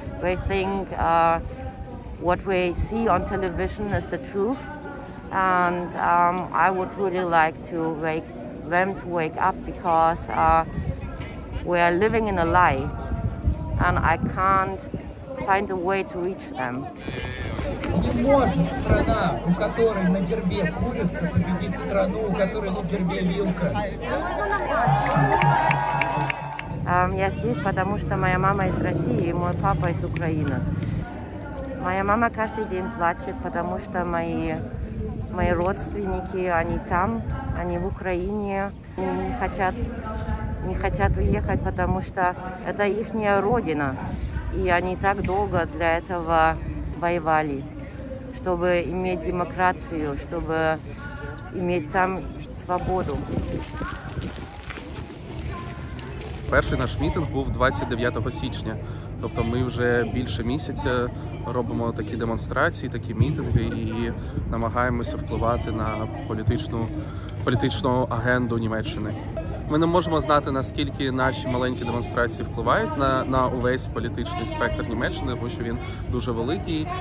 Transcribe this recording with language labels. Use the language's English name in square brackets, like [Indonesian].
[English] We think what we see on television is the truth, and I would really like to wake them to wake up, because we are living in a lie, and I can't find a way to reach them. [Russian] Не может страна, у которой на гербе курица, победить страну, у которой на гербе вилка. Я здесь, потому что моя мама из России, и мой папа из Украины. Моя мама каждый день плачет, потому что мои родственники, они там, они в Украине, они не хотят уехать, потому что это ихняя родина. И они так долго для этого воевали, чтобы иметь демократию, чтобы иметь там свободу. [Ukrainian] Перший наш мітинг був 29 січня. Тобто ми вже більше місяця робимо такі демонстрації, такі мітинги і намагаємося впливати на політичну агенду Німеччини. Ми не можемо знати, наскільки наші маленькі демонстрації впливають на увесь політичний спектр Німеччини, тому що він дуже великий.